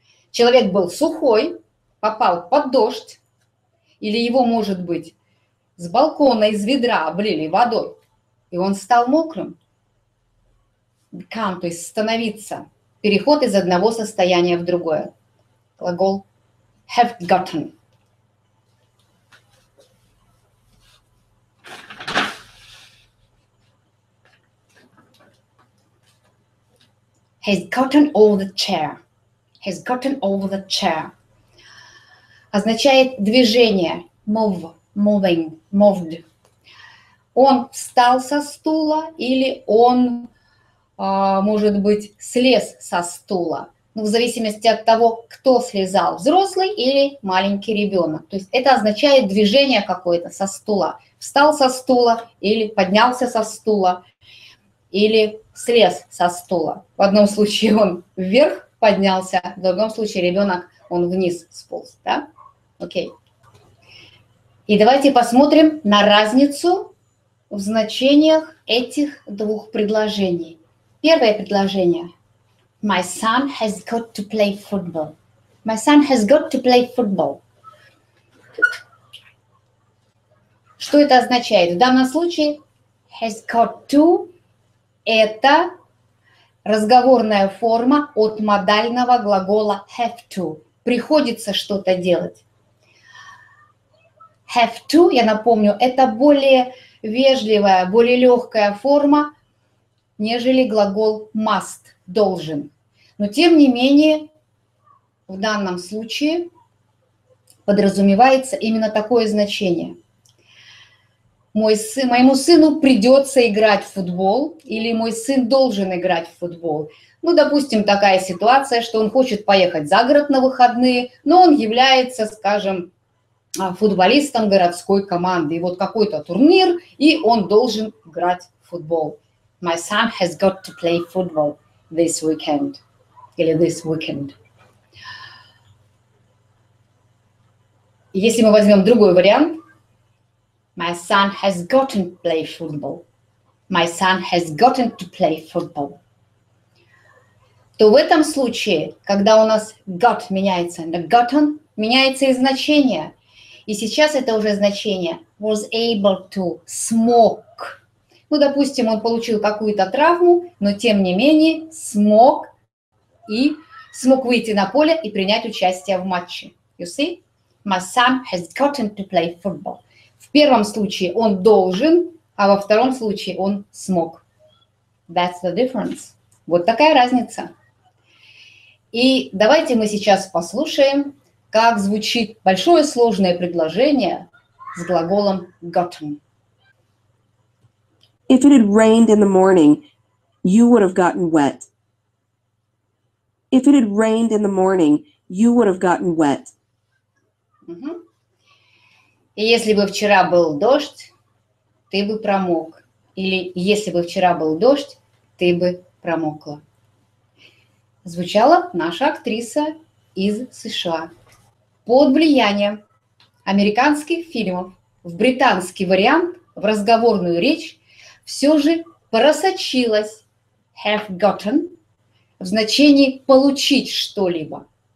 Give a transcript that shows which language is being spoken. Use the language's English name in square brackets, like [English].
[Russian] Человек был сухой, попал под дождь, или его, может быть, с балкона, из ведра облили водой, и он стал мокрым. Become, то есть становиться. Переход из одного состояния в другое. Глагол have gotten. [English] Has gotten over the chair. Has gotten over the chair. [Russian] Означает движение. [English] Move, moving, moved. [Russian] Он встал со стула или он, может быть, слез со стула. Ну, в зависимости от того, кто слезал, взрослый или маленький ребенок. То есть это означает движение какое-то со стула. Встал со стула или поднялся со стула. Или слез со стула. В одном случае он вверх поднялся, в другом случае ребенок, он вниз сполз. Да? Окей. И давайте посмотрим на разницу в значениях этих двух предложений. Первое предложение. [English] My son has got to play football. My son has got to play football. [Russian] Что это означает? В данном случае has got to — это разговорная форма от модального глагола have to. Приходится что-то делать. Have to, я напомню, это более вежливая, более легкая форма, нежели глагол must, должен. Но тем не менее, в данном случае подразумевается именно такое значение. Моему сыну придется играть в футбол, или мой сын должен играть в футбол. Ну, допустим, такая ситуация, что он хочет поехать за город на выходные, но он является, скажем, футболистом городской команды. И вот какой-то турнир, и он должен играть в футбол. [English] My son has got to play football this weekend. Или this weekend. [Russian] Если мы возьмем другой вариант, [English] my son has gotten to play football. My son has gotten to play football. [Russian] То в этом случае, когда у нас got меняется на gotten, меняется и значение. И сейчас это уже значение was able to, смог. Ну, допустим, он получил какую-то травму, но тем не менее смог и смог выйти на поле и принять участие в матче. [English] You see? My son has gotten to play football. [Russian] В первом случае он должен, а во втором случае он смог. [English] That's the difference. [Russian] Вот такая разница. И давайте мы сейчас послушаем, как звучит большое сложное предложение с глаголом gotten. [English] If it had rained in the morning, you would have gotten wet. If it had rained in the morning, you would have gotten wet. [Russian] И если бы вчера был дождь, ты бы промок. Или если бы вчера был дождь, ты бы промокла. Звучала наша актриса из США. Под влиянием американских фильмов в британский вариант, в разговорную речь, все же просочилась have gotten в значении получить что-либо.